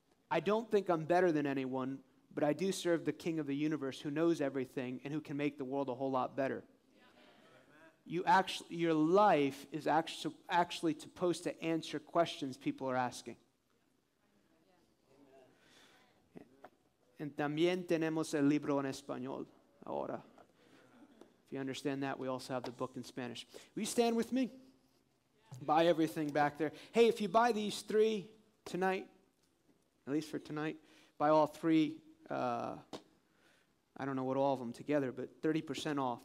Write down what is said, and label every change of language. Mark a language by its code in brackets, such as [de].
[en] I don't think I'm better than anyone, but I do serve the King of the universe who knows everything and who can make the world a whole lot better. Your life is actually supposed to answer questions people are asking. [es] And también tenemos el libro en español. [en] Ahora, if you understand that, we also have the book in Spanish. Will you stand with me? Buy everything back there. Hey, if you buy these three tonight, at least for tonight, buy all three. I don't know what all of them together, but 30% off.